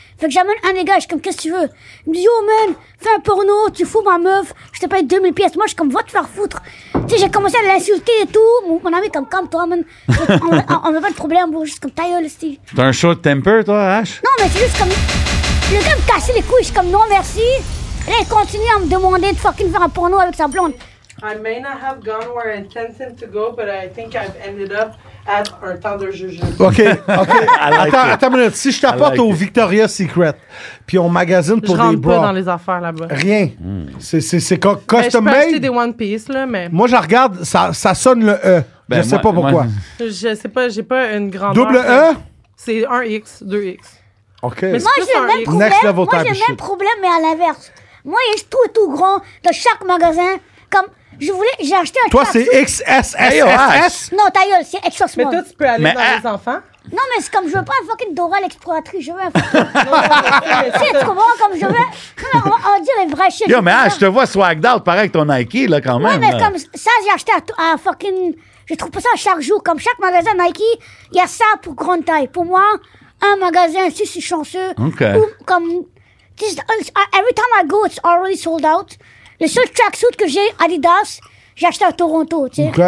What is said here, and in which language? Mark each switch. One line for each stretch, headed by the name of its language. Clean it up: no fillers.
French: Fait que j'amène un des gars, je suis comme, qu'est-ce que tu veux? Il me dit, yo, man, fais un porno, tu fous ma meuf, je te paye 2000 pièces. Moi, je suis comme, va te faire foutre. Tu sais, j'ai commencé à l'insulter et tout. Mon ami, comme, calme-toi, man. On veut pas de problème, bro. Juste comme, ta gueule, Steve. T'as un show de temper, toi, H? Non, mais c'est juste comme, le gars me cassait les couilles, je suis comme, non, merci. Là, il continue à me demander de fucking faire un porno avec sa blonde.
English: I may not have gone where I intended to go, but I think I've ended up at our temps de juge.
French: OK. Attends une minute. Si je t'apporte au Victoria Secret, puis on magasine pour des bras... Je rentre pas dans les affaires là-bas. Rien. Mm. C'est custom-made. Je peux acheter des One Piece, là, mais... Moi, je regarde, ça sonne le E. Ben, je sais pas pourquoi. Moi, je sais pas, j'ai pas une grande... Double E? C'est un X, deux X. OK. Mais moi, j'ai le même problème. Moi, j'ai le même problème, mais à l'inverse. Moi, il est tout grand dans chaque magasin, comme... J'ai acheté un toi, c'est XSSSS? Non, ta gueule, c'est extra small. Mais toi, tu peux aller dans les enfants? Non, mais c'est comme, je veux pas un fucking Dora l'exploratrice, je veux un fucking... C'est trop bon, comme je veux... On va dire les vrais chiffres. Yo, mais ah, je te vois swagged out, pareil que ton Nike, là, quand même. Ouais, mais Comme ça, j'ai acheté à fucking... Je trouve pas ça chaque jour. Comme chaque magasin Nike, il y a ça pour grande taille. Pour moi, un magasin, si c'est chanceux. OK. Ou comme...
English: Every time I go, it's already sold out.
French: Le seul tracksuit que j'ai, Adidas, j'ai acheté à Toronto, tu sais.